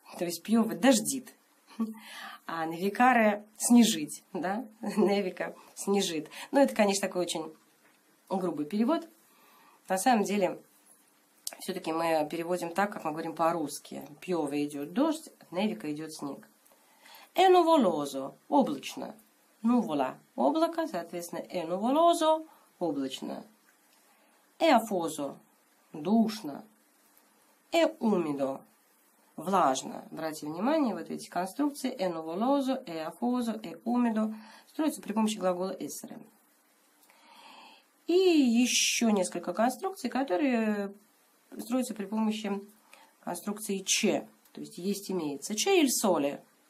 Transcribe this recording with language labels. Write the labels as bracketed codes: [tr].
[ru] То есть piove – дождит. А nevicare – снежить, да? Nevica – снежит. Ну, это, конечно, такой очень грубый перевод. На самом деле, все-таки мы переводим так, как мы говорим по-русски. Piove – идет дождь, nevica – идет снег. [it] E nuvoloso – облачно. [ru] Nuvola – облако, соответственно, e nuvoloso – облачно. [it] E afoso – душно. E umido – влажно. [ru] Обратите внимание, вот эти конструкции [it] «e nuvoloso», «e afoso», «e umido» [ru] строятся при помощи глагола «essere». И еще несколько конструкций, которые строятся при помощи конструкции «че». То есть «есть» имеется. [it] «Че il sole».